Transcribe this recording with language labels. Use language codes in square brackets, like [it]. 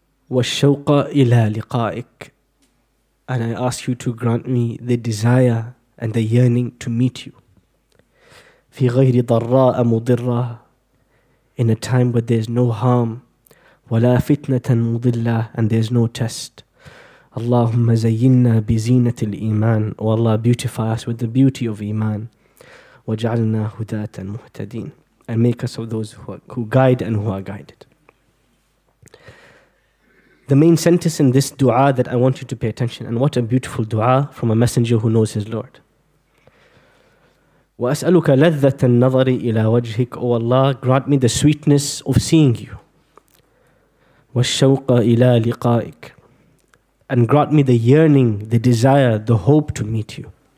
[ar] وَالشَّوْقَ إِلَىٰ لِقَائِكَ. [en] And I ask you to grant me the desire and the yearning to meet you. [ar] فِي غَيْرِ ضَرَّاءَ مُضِرَّةَ. [en] In a time where there is no harm. [ar] وَلَا فِتْنَةً مُضِلَّةَ. [en] And there is no test. [ar] اللهم زينا بزينة الإيمان. [en] O Allah, beautify us with the beauty of Iman. [ar] وجعلنا هداة مهتدين. [en] And make us of those who guide and who are guided. The main sentence in this dua that I want you to pay attention, and what a beautiful dua from a messenger who knows his Lord. [ar] وأسألك لذة النظر إلى وجهك. [en] O Allah, grant me the sweetness of seeing you. [ar] والشوق إلى لقائك. [en] And grant me the yearning, the desire, the hope to meet you.